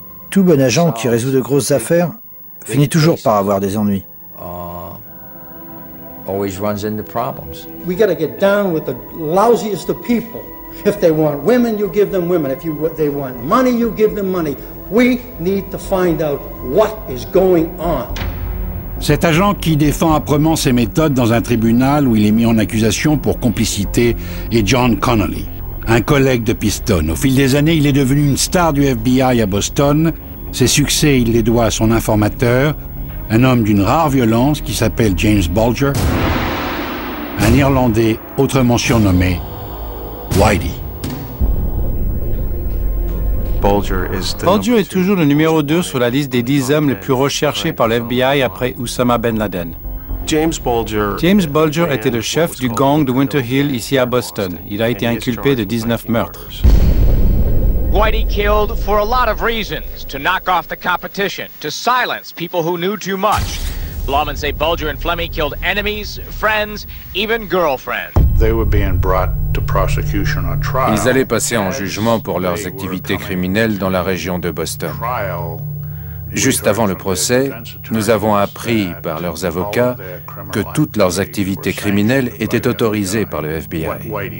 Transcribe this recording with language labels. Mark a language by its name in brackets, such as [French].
[French] Tout bon agent qui résout de grosses affaires finit toujours par avoir des ennuis. [English] Always runs into problems. We got to get down with the lousiest of people. If they want women, you give them women. If they want money, you give them money. We need to find out what is going on. [French] Cet agent qui défend âprement ses méthodes dans un tribunal où il est mis en accusation pour complicité est John Connolly. Un collègue de Pistone. Au fil des années, il est devenu une star du FBI à Boston. Ses succès, il les doit à son informateur, un homme d'une rare violence qui s'appelle James Bulger, un Irlandais autrement surnommé Whitey. Bulger est toujours le numéro 2 sur la liste des 10 hommes les plus recherchés par le FBI après Oussama Ben Laden. James Bulger était le chef du gang de Winter Hill ici à Boston. Il a été inculpé de 19 meurtres. [English] Whitey killed for a lot of reasons: to knock off the competition, to silence people who knew too much. Lawmen say Bulger and Fleming killed enemies, friends, even girlfriends. They were being brought to prosecution or trial. [French] Ils allaient passer en jugement pour leurs activités criminelles dans la région de Boston. Juste avant le procès, nous avons appris par leurs avocats que toutes leurs activités criminelles étaient autorisées par le FBI.